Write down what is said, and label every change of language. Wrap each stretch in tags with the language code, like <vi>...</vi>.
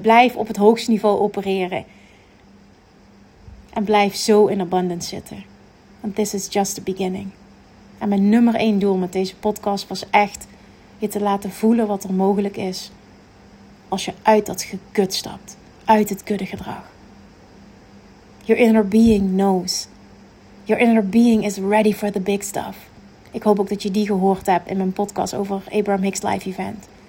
<nl>Blijf op het hoogste niveau opereren. En blijf zo</nl> <en>in abundance</en> <nl>zitten. Want</nl> <en>this is just the beginning.</en> <nl>En mijn nummer 1 doel met deze podcast was echt je te laten voelen wat er mogelijk is als je uit dat gekut stapt, uit het kudde gedrag.</nl> <en>Your inner being knows. Your inner being is ready for the big stuff.</en> <nl>Ik hoop ook dat je die gehoord hebt in mijn podcast over Abraham Hicks Live Event.</nl>